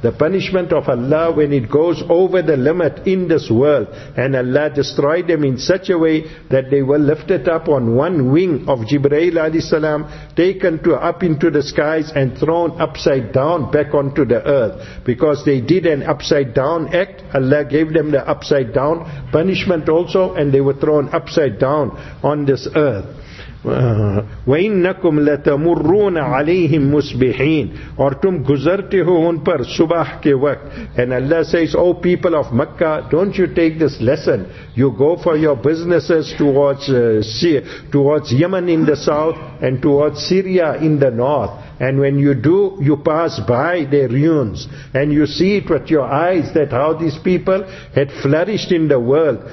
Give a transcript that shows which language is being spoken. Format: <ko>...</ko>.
<en>The punishment of Allah when it goes over the limit in this world, and Allah destroyed them in such a way that they were lifted up on one wing of Jibreel alayhi salam, taken to up into the skies and thrown upside down back onto the earth. Because they did an upside down act, Allah gave them the upside down punishment also, and they were thrown upside down on this earth.</en> <ar>وَإِنَّكُمْ لَتَمُرُّونَ عَلَيْهِمْ مُسْبِحِينَ</ar> <ur>اور تم گزرتے ہو ان پر صبح کے وقت.</ur> <en>And Allah says, O people of Makkah, don't you take this lesson. You go for your businesses towards Yemen in the south and towards Syria in the north. And when you do, you pass by their ruins. And you see it with your eyes that how these people had flourished in the world.</en>